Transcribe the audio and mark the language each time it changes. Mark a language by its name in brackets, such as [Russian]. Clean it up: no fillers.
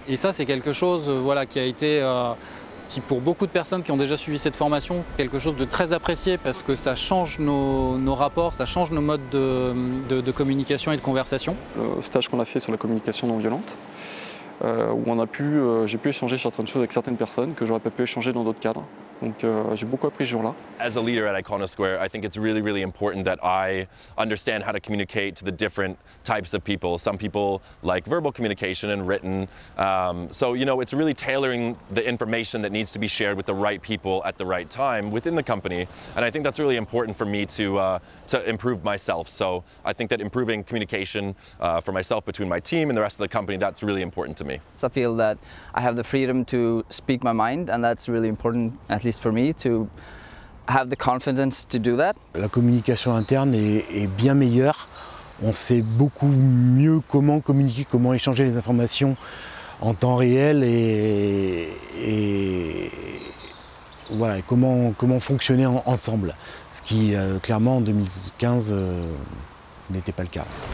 [French] Et ça, c'est quelque chose qui a été... qui pour beaucoup de personnes qui ont déjà suivi cette formation, quelque chose de très apprécié parce que ça change nos rapports, ça change nos modes de communication et de conversation. Le stage qu'on a fait sur la communication non violente, où j'ai pu échanger certaines choses avec certaines personnes que j'aurais pas pu échanger dans d'autres cadres. Donc j'ai beaucoup appris ce jour-là. [English] As a leader at IconoSquare, I think it's really, really important that I understand how to communicate to the different types of people. Some people like verbal communication and written. It's really tailoring the information that needs to be shared with the right people at the right time within the company. And I think that's really important for me to improve myself. So I think that improving communication for myself between my team and the rest of the company, that's really important to me. I feel that I have the freedom to speak my mind, and that's really important, at least for me, to have the confidence to do that. [French] La communication interne est bien meilleure. On sait beaucoup mieux comment communiquer, comment échanger les informations en temps réel et comment fonctionner ensemble. Ce qui, clairement, en 2015, n'était pas le cas.